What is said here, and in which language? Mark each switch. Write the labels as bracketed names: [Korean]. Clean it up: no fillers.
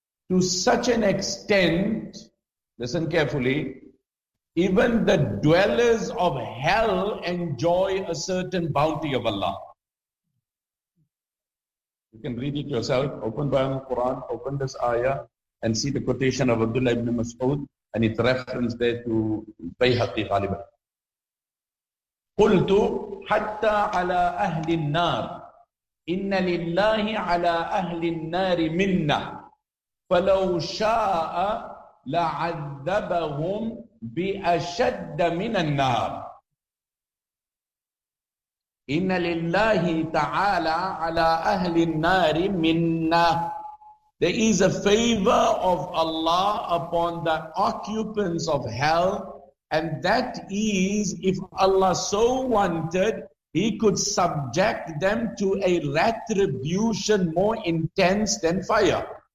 [English] To such an extent, listen carefully, even the dwellers of hell enjoy a certain bounty of Allah. You can read it yourself. Open by the Quran, open this ayah, and see the quotation of Abdullah ibn Mas'ud, and it's referenced there to Bayhaqi Ghaliban. [Arabic] قلت حتى على أهل النار إن لله على أهل النار منا فلو شاء لعذبهم بأشد من النار إن لله تعالى على أهل النار منا. [English] There is a favor of Allah upon the occupants of hell, and that is, if Allah so wanted, He could subject them to a retribution more intense than fire.